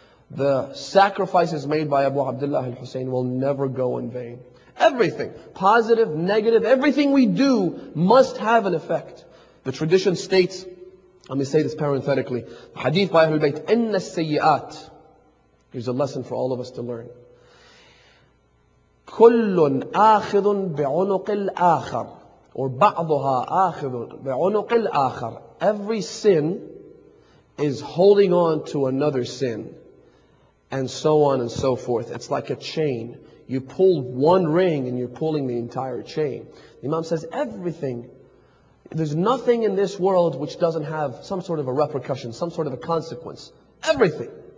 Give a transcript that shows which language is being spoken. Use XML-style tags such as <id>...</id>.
<en>The sacrifices made by Abu Abdullah al-Husayn will never go in vain. Everything, positive, negative, everything we do must have an effect. The tradition states, let me say this parenthetically, hadith by Ahlul Bayt,</en> <ar>إِنَّ السَّيِّئَاتِ.</ar> <en>Here's a lesson for all of us to learn.</en> <ar>كُلٌ آخِذٌ بِعُنُقِ الْآخَرِ</ar> <en>or</en> <ar>بعضها آخر بعنق الآخر.</ar> <en>Every sin is holding on to another sin, and so on and so forth. It's like a chain. You pull one ring and you're pulling the entire chain. The Imam says everything, there's nothing in this world which doesn't have some sort of a repercussion, some sort of a consequence. Everything.</en>